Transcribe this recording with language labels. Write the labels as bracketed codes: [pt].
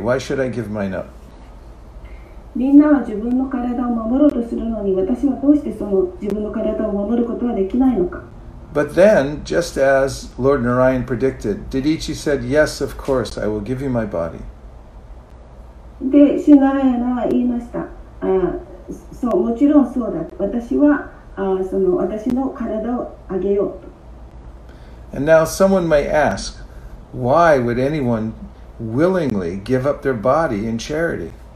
[en] Why should I give mine up? [ja] みんなは自分の体を守ろうとするのに、私はどうしてその自分の体を守ることができないのか。 [en] But then, just as Lord Narayan predicted, Dedichi said, "Yes, of course, I will give you my body." [ja] で、シュナラヤナは言いました。そう、もちろんそうだ。私は、その私の体をあげようと。 [en] And now someone may ask, why would anyone willingly give up their body in charity?